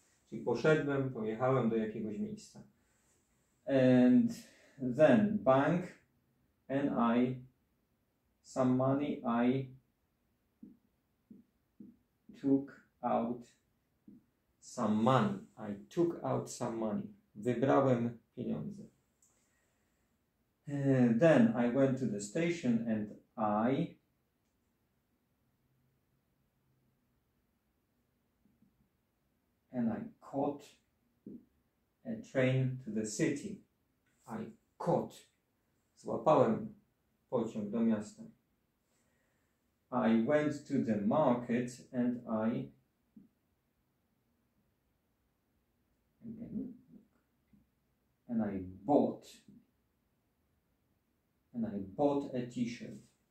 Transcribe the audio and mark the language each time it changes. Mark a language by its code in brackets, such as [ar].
[pl] Czyli poszedłem, pojechałem do jakiegoś miejsca. [en] And then bank and I some money I took out some money. I took out some money. [pl] Wybrałem pieniądze. [en] Then I went to the station and I caught a train to the city. I caught. [pl] Złapałem pociąg do miasta. [en] I went to the market and I bought a t-shirt.